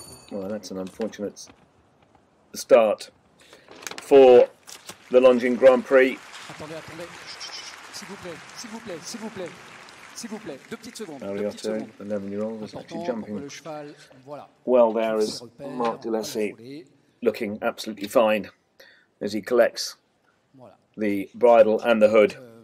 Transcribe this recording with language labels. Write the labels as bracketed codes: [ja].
[en] That's an unfortunate start for the Longines Grand Prix. [fr] Attendez, attendez. S'il vous plaît, s'il vous plaît, s'il vous plaît. S'il vous plaît, deux petites secondes. [en] Ariotto, 11-year-old, was actually jumping. Well, there is Marc de Lassie looking absolutely fine as he collects the bridle and the hood.